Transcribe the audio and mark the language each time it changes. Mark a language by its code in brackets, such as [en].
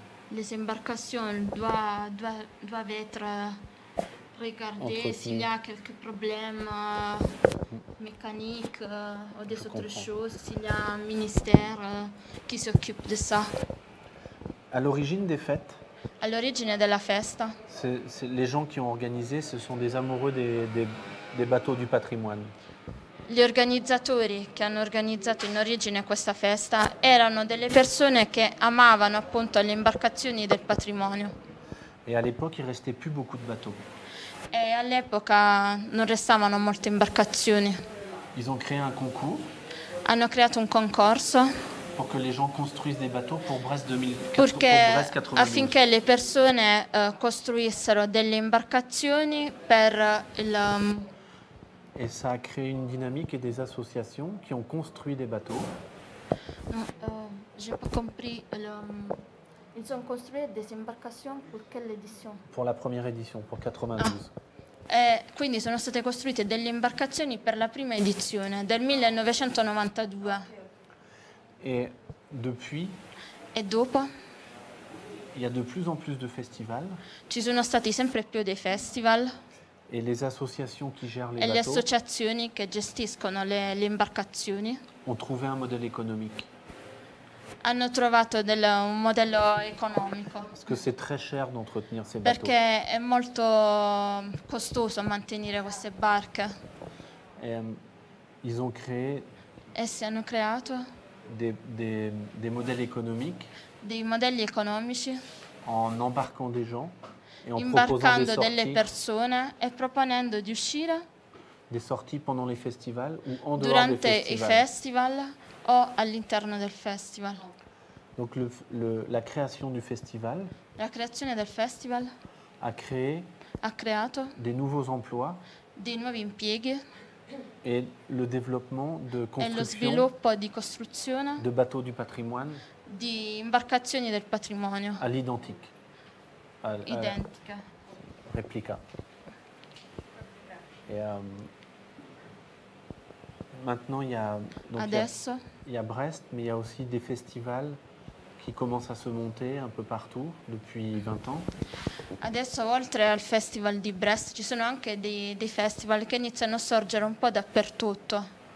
[it] Le imbarcazioni [fr] doivent être regardate s'il y a [it] qualche problema meccanico o [fr] des autres choses, s'il y a un ministère qui s'occupe de ça. À l'origine des fêtes. [it] À l'origine della festa. [fr] C'est les gens qui ont organisé, ce sont des amoureux des bateaux du patrimoine. [it] Gli organizzatori che hanno organizzato in origine questa festa erano delle persone che amavano appunto le imbarcazioni del patrimonio. [fr] Et à l'époque, il restait plus beaucoup de bateaux. [it] E all'epoca non restavano molte imbarcazioni. [fr] Ils ont créé un concours. [it] Hanno creato un concorso. [fr] Pour que les gens construisent des bateaux pour Brest 2014, [it] perché, [fr] pour Brest 92. [it] Affinché le persone costruissero delle imbarcazioni per il. [fr] Et ça a créé une dynamique et des associations qui ont construit des bateaux. Non, j'ai pas compris. Ils ont construit des imbarcazioni pour quelle édition? Pour la première édition, pour 92. Ah. [it] Quindi sono state costruite delle imbarcazioni per la prima edizione del 1992. [fr] Et depuis. Et [it] dopo. [fr] Il y a de plus en plus de festivals. [it] Ci sono stati sempre più dei festival. [fr] Et les associations qui gèrent les bateaux. [it] E le associazioni che gestiscono le imbarcazioni. [fr] Ont trouvé un modèle économique. [it] Hanno trovato un modello economico. [fr] Parce que c'est très cher d'entretenir ces [it] Perché Perché è molto costoso mantenere queste barche. [fr] Et, ils ont créé. [it] Essi hanno creato. [fr] Des modèles économiques. [it] Dei modelli economici. [fr] En embarquant des gens. Et en [it] imbarcando [fr] proposant [it] delle persone e proponendo di uscire. [fr] Des sorties pendant les festivals ou en [it] durante [fr] dehors des festivals. [it] I festival o all'interno del festival. [fr] Donc la création du festival. [it] La creazione del festival. [fr] A créé. [it] Ha creato. [fr] Des nouveaux emplois. [it] Dei nuovi impieghi. [fr] Et le développement de construction. [it] E lo sviluppo di costruzione. [fr] De bateaux du patrimoine. [it] Di imbarcazioni del patrimonio. [fr] À l'identique. [it] Identica. Replica. [fr] Et maintenant il y a. Donc [it] adesso. [fr] Il y a Brest, mais il y a aussi des festivals qui commencent à se monter un peu partout depuis 20 ans. [it] Adesso, oltre al festival di Brest, ci sono anche dei festival che iniziano a sorgere un po' dappertutto.